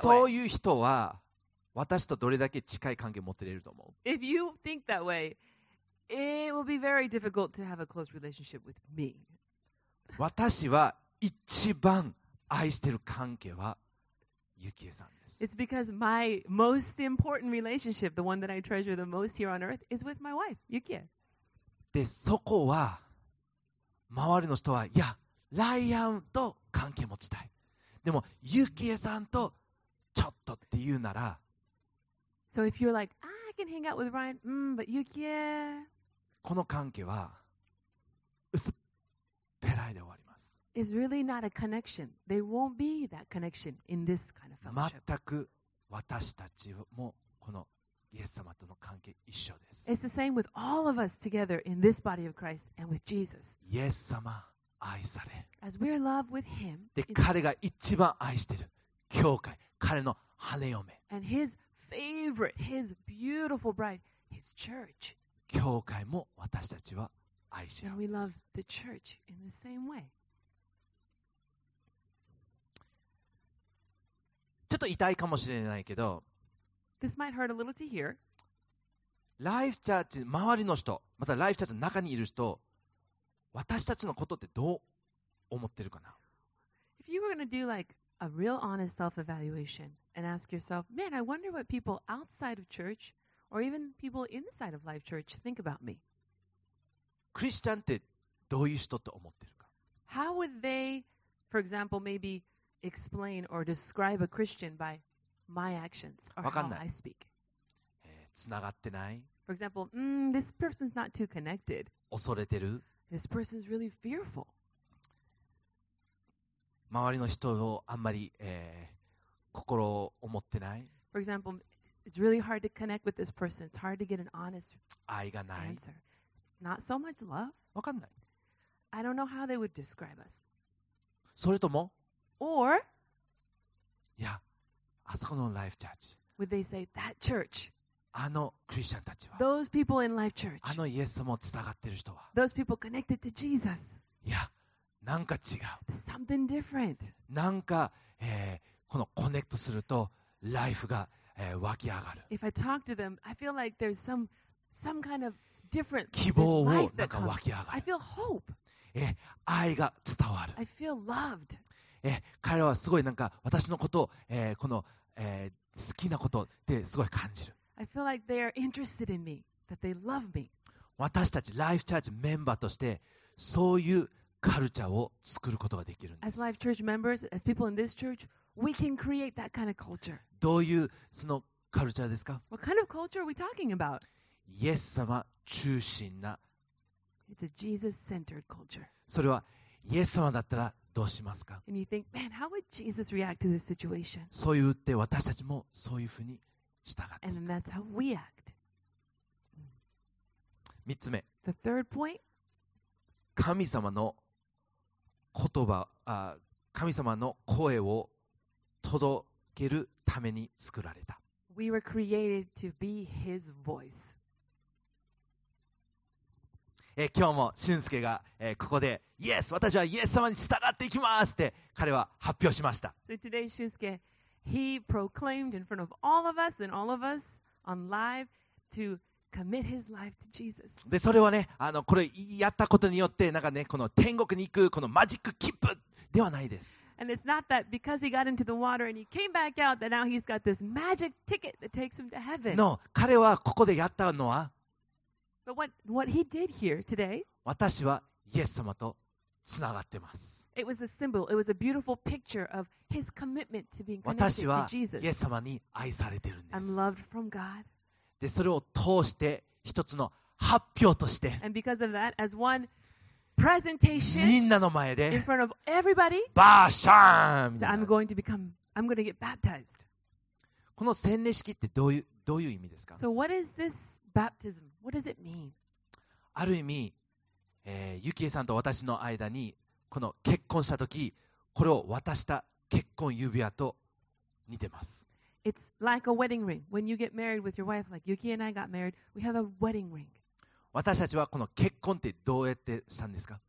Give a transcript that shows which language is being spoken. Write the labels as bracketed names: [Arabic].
[Japanese] way, そういう人は私とどれだけ近い関係を持っていると思う。 [English] If you think that way, it will be very difficult to have a close relationship with me. [Japanese] 私は一番愛している関係はゆきえさんです。 [English] It's because my most important relationship, the one that I treasure the most here on earth, is with my wife, Yukie. [Japanese] で、そこは周りの人はいや、ライアンと関係持ちたい。でもユキエさんとちょっとって言うなら、 [English] So if you're like, I can hang out with Ryan, but Yukie, [Japanese] この関係は薄っぺらいで終わります。 [English] It's really not a connection. They won't be that connection in this kind of fellowship. [Japanese] 全く私たちもこのイエス様との関係一緒です。 [English] It's the same with all of us together in this body of Christ and with Jesus. [Japanese] イエス様。愛され [English] As we're loved with him, [Japanese] で彼が一番愛してる教会彼の花嫁 [English] and his favorite, his beautiful bride, his church. [Japanese] 教会も私たちは愛し合います [English] and we love the church in the same way. [Japanese] ちょっと痛いかもしれないけど [English] This might hurt a little to hear. [Japanese] ライフチャーチ周りの人またライフチャーチの中にいる人私たちのことってどう思ってるかな? [English] If you were going to do like a real honest self-evaluation and ask yourself, man, I wonder what people outside of church or even people inside of Life Church think about me. [Japanese] クリスチャンってどういう人って思ってるか? [English] How would they, for example, maybe explain or describe a Christian by my actions or how I speak? [Japanese] つながってない? [English] For example, this person's not too connected. [Japanese] 恐れてる? [English] This person is really fearful. [Japanese] 周りの人をあんまり、心を思ってない。 [English] For example, it's really hard to connect with this person. It's hard to get an honest [Japanese] 愛がない。 [English] answer. It's not so much love. [Japanese] わかんない。 [English] I don't know how they would describe us. [Japanese] それとも [English] Or [Japanese] いや、あそこのライフチャーチ。 [English] Would they say that church? [Japanese] あのクリスチャンたちは [English] Those people in Life Church. [Japanese] あのイエス様をつながっている人は [English] Those people connected to Jesus. [Japanese] いや、なんか違う [English] There's something different. [Japanese] なんか、このコネクトするとライフが、湧き上がる [English] If I talk to them, I feel like there's some kind of different [Japanese] 希望をなんか湧き上がる [English] I feel hope. [Japanese] 愛が伝わる [English] I feel loved. [Japanese] 彼はすごいなんか私のことを、この、好きなことってすごい感じる [English] I feel like they are interested in me, that they love me. [Japanese] 私たちライフチャージメンバーとしてそういうカルチャーを作ることができるんです。 [English] As life church members, as people in this church, we can create that kind of culture. [Japanese] どういうそのカルチャーですか？ [English] What kind of culture are we talking about? [Japanese] イエス様中心な。 [English] It's a Jesus-centered culture. [Japanese] それはイエス様だったらどうしますか？ [English] And you think, man, how would Jesus react to this situation? [Japanese] そう言って私たちもそういうふうに従っていく。 [English] And then that's how we act. [Japanese] 3つ目。 [English] The third point. [Japanese] 神様の言葉、神様の声を届けるために作られた。 [English] We were created to be His voice. [Japanese] 今日も俊介が、ここで、Yes! 私はイエス様に従っていきますって彼は発表しました。 [English] So today, Shunsuke, he proclaimed in front of all of us and all of us on live to. Commit his life to Jesus. [Japanese] でそれはね、これやったことによってなんかね、この天国に行くこのマジック切符ではないです。 [English] And it's not that because he got into the water and he came back out that now he's got this magic ticket that takes him to heaven. [Japanese] No, 彼はここでやったのは。 [English] But what he did here today? [Japanese] 私はイエス様とつながってます。 [English] It was a symbol. It was a beautiful picture of his commitment to being connected to Jesus. [Japanese] 私はイエス様に愛されてるんです。 [English] I'm loved from God. [Japanese] でそれを通して一つの発表としてみんなの前でバーシャーンみたいな。この洗礼式ってどういう意味ですか？ [English] So what is this baptism? What does it mean? [Japanese] ある意味、ユキエさんと私の間にこの結婚した時これを渡した結婚指輪と似てます。 [English] It's like a wedding ring. When you get married with your wife, like Yuki and I got married, we have a wedding ring. [Japanese] 私たちはこの結婚ってどうやってしたんですか？